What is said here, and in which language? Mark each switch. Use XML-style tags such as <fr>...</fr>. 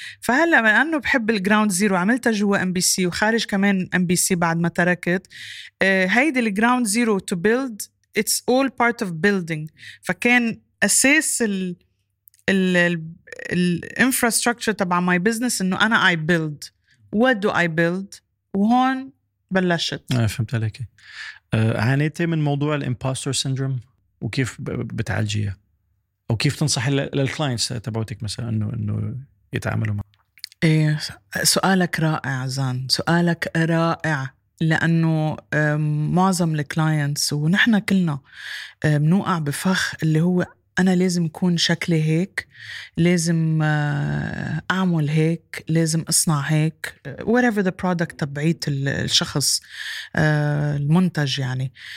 <ar>فهلأ من أنه بحب الجراوند زيرو عملتها جوا ام بي سي وخارج كمان ام بي سي بعد ما تركت هيدي الجراوند زيرو to build it's all part of building. فكان أساس الانفراستركتر تبع ماي بزنس أنه أنا I build.</ar> <en>What do I build؟ وهون بلشت.</en> <ar>فهمت عليك. عانيتي من موضوع الامباستر سيندروم وكيف بتعالجيها او كيف تنصحي للكلاينتس تبعوتك مثلا انه يتعاملوا معه؟ ايه سؤالك رائع زان، سؤالك رائع، لانه معظم الكلاينتس ونحن كلنا بنوقع بفخ اللي هو انا لازم اكون شكلي هيك، لازم اعمل هيك، لازم اصنع هيك، whatever the product تبعيت الشخص المنتج يعني.</ar>